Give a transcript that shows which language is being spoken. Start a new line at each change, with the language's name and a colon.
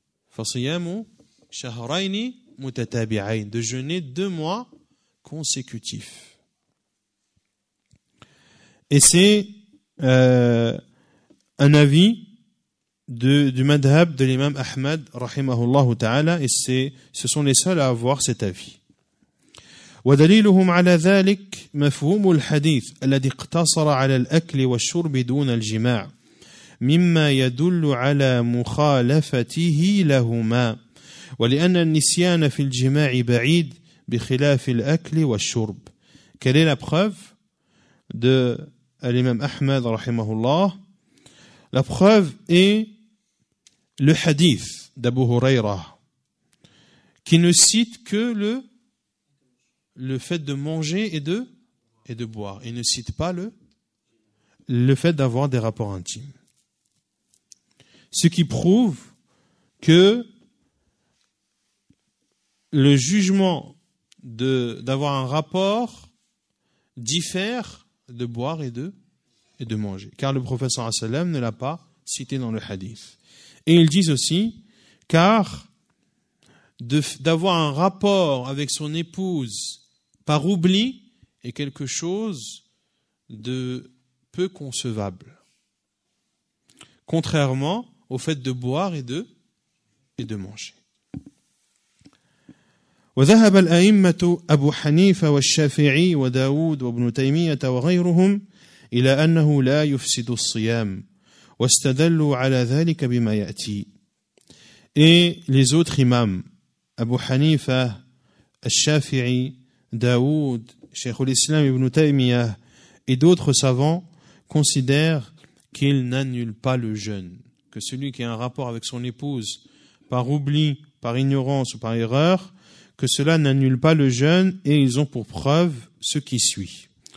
Arabic: Fasiyamu shahrayni mutatabi'ayn,
French: de jeûner 2 mois consécutifs. Et c'est un avis du madhab de l'imam Ahmad rahimahullah ta'ala, et ce sont les seuls à avoir cet avis.
Arabic: ودليلهم على ذلك مفهوم الحديث الذي اقتصر على الأكل والشرب دون الجماع مما يدل على مخالفته لهما ولأن النسيان في الجماع بعيد بخلاف الأكل والشرب.
French: Quelle est la preuve de l'imam Ahmed
Arabic: رحمه الله؟
French: La preuve est le hadith d'Abu Huraira qui ne cite que le fait de manger et de boire. Il ne cite pas le fait d'avoir des rapports intimes. Ce qui prouve que le jugement d'avoir un rapport diffère de boire et de manger. Car le professeur Asselam ne l'a pas cité dans le hadith. Et ils disent aussi, car d'avoir un rapport avec son épouse par oubli est quelque chose de peu concevable, contrairement au fait de boire et de manger.
Arabic: وذهب الأئمة أبو حنيفة والشافعي وداود وابن تيمية وغيرهم إلى أنه لا يفسد الصيام واستدلوا على ذلك بما يأتي.
French: Et les autres imams, Abu Hanifa, al-Shafi'i, Daoud, Cheikh al-Islam ibn Taymiyyah et d'autres savants considèrent qu'il n'annule pas le jeûne, que celui qui a un rapport avec son épouse par oubli, par ignorance ou par erreur, que cela n'annule pas le jeûne, et ils ont pour preuve ce qui suit.